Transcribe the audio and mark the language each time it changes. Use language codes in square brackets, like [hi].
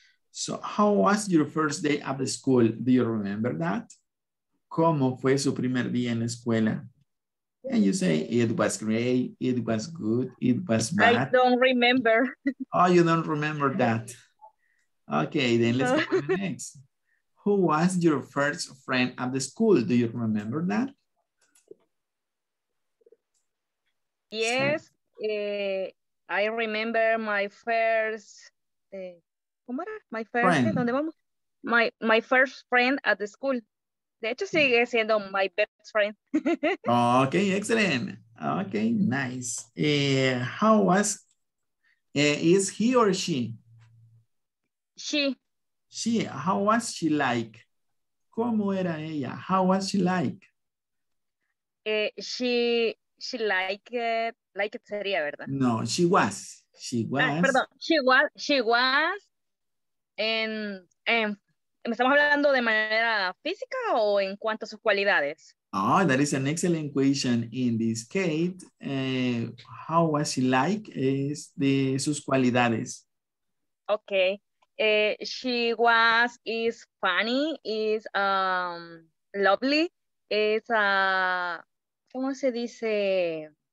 [en] So how was your first day at the school? Do you remember that? [es] ¿Cómo fue su primer día en la escuela? [en] And you say, it was great, it was good, it was bad. I don't remember. Oh, you don't remember that. Okay, then let's go to the next. Who was your first friend at the school? Do you remember that? Yes, I remember my first friend at the school. [es] De hecho, sigue siendo [en] my best friend. Okay, excellent. Okay, nice. How was, is he or she? She. She, how was she like? [es] ¿Cómo era ella? [en] How was she like? She liked it. Like it [es] sería, ¿verdad? [en] No, she was. [es] ¿Estamos hablando de manera física o en cuanto a sus cualidades? [en] Oh, that is an excellent question. In this case, how was she like is [es] de sus cualidades. [en] Okay. She is funny, is lovely, is, [es] ¿cómo se dice?